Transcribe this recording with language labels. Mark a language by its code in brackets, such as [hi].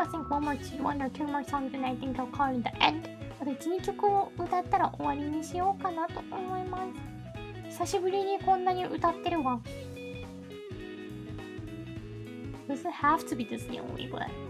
[en] One more, one or two more songs and I think I'll call it the end. [ja] 別に曲を歌ったら終わりにしようかなと思います。久しぶりにこんなに歌ってるわ。 [en] Does it have to be this the only way?